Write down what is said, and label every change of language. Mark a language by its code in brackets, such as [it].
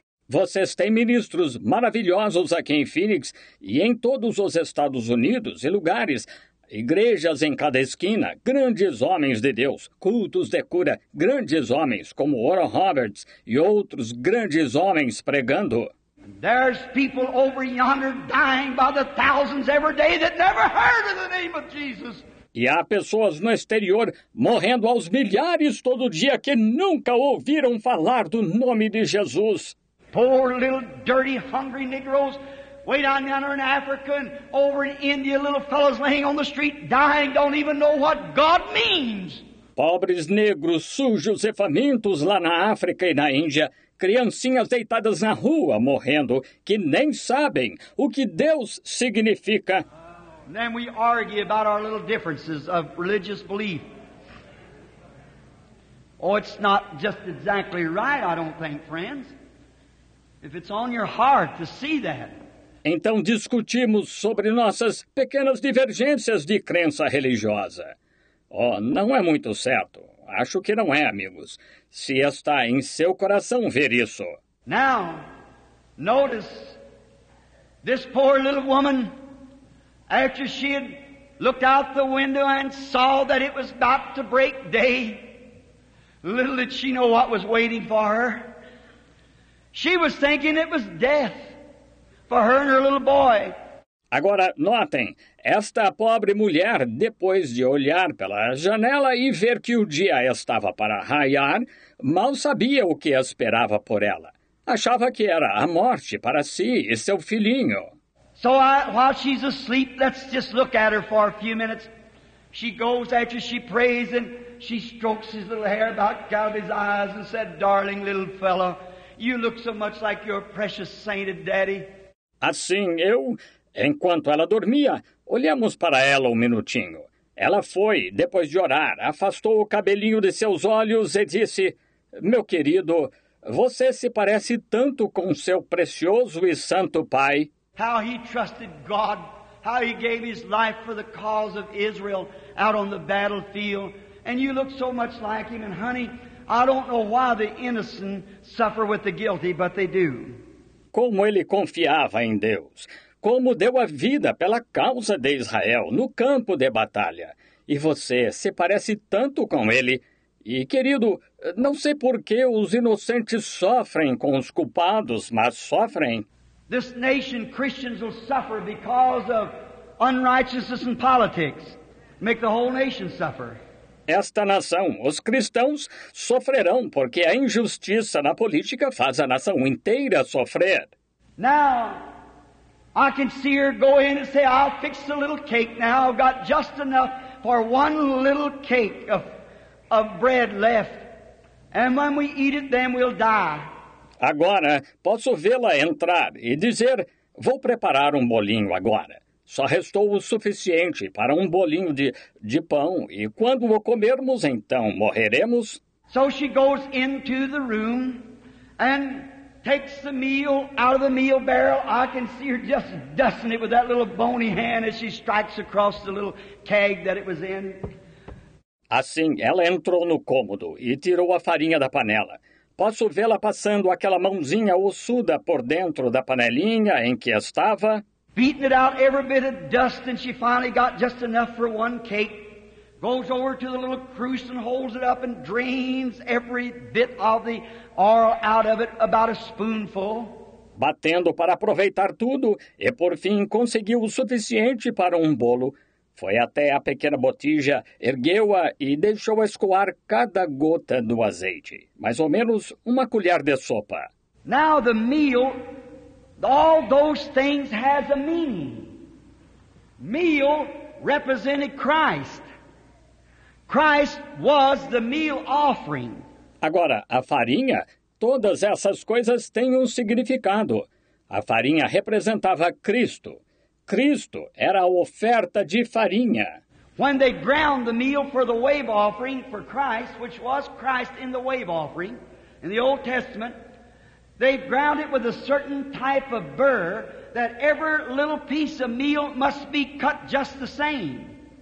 [pt] Vocês têm ministros maravilhosos aqui em Phoenix e em todos os Estados Unidos e lugares. Igrejas em cada esquina, grandes homens de Deus, cultos de cura, grandes homens como Oral Roberts e outros grandes homens pregando. [en] There's people over yonder dying by the thousands every day that never heard of the name of Jesus. [pt] E há pessoas no exterior morrendo aos milhares todo dia que nunca ouviram falar do nome de Jesus. [en] Poor little dirty hungry negroes Way down yonder in Africa and over in India, little fellows laying on the street dying don't even know what God means. [pt] Pobres negros sujos e famintos lá na África e na Índia, criancinhas deitadas na rua morrendo, que nem sabem o que Deus significa. [en] And then we argue about our little differences of religious belief. Oh, it's not just exactly right, I don't think, friends. If it's on your heart to see that. [pt] Então discutimos sobre nossas pequenas divergências de crença religiosa. Oh, não é muito certo. Acho que não é, amigos. Se está em seu coração ver isso. [en] Now, notice this poor little woman, after she had looked out the window and saw that it was about to break day, little did she know what was waiting for her. She was thinking it was death for her and her little boy. [pt] Agora, notem, esta pobre mulher, depois de olhar pela janela e ver que o dia estava para raiar, mal sabia o que esperava por ela. Achava que era a morte para si e seu filhinho. [en] So, while she's asleep, let's just look at her for a few minutes. She goes after she prays and she strokes his little hair about out of his eyes and said, "Darling little fellow, you look so much like your precious sainted daddy." [pt] Assim, eu, enquanto ela dormia, olhamos para ela um minutinho. Ela foi, depois de orar, afastou o cabelinho de seus olhos e disse, "Meu querido, você se parece tanto com seu precioso e santo pai." [en] How he trusted God, how he gave his life for the cause of Israel out on the battlefield. And you look so much like him. And honey, I don't know why the innocent suffer with the guilty, but they do. [pt] Como ele confiava em Deus. Como deu a vida pela causa de Israel no campo de batalha. E você se parece tanto com ele. E, querido, não sei por que os inocentes sofrem com os culpados, mas sofrem. [en] This nation, Christians will suffer because of unrighteousness in politics. Make the whole nation suffer. [pt] Esta nação, os cristãos, sofrerão porque a injustiça na política faz a nação inteira sofrer. [en] Now, I can see her go in and say, "I'll fix the little cake now. I've got just enough for one little cake of bread left. And when we eat it, then we'll die." [pt] Agora, posso vê-la entrar e dizer, "Vou preparar um bolinho agora. Só restou o suficiente para um bolinho de pão, e quando o comermos, então morreremos." [en] So she goes into the room and takes the meal out of the meal barrel. I can see her just dusting it with that little bony hand as she strikes across the little keg that it was in. [pt] Assim, ela entrou no cômodo e tirou a farinha da panela. Posso vê-la passando aquela mãozinha ossuda por dentro da panelinha em que estava. [en] Beating it out every bit of dust, and she finally got just enough for one cake. Goes over to the little cruse and holds it up and drains every bit of the oil out of it, about a spoonful. [pt] Batendo para aproveitar tudo, e por fim conseguiu o suficiente para um bolo. Foi até a pequena botija, ergueu-a e deixou escoar cada gota do azeite. Mais ou menos uma colher de sopa. [en] Now the meal, all those things has a meaning. Meal represented Christ. Christ was the meal offering. [pt] Agora, a farinha, todas essas coisas têm um significado. A farinha representava Cristo. Cristo era a oferta de farinha. [en] When they ground the meal for the wave offering for Christ, which was Christ in the wave offering, in the Old Testament, they ground it with a certain type of burr that every little piece of meal must be cut just the same.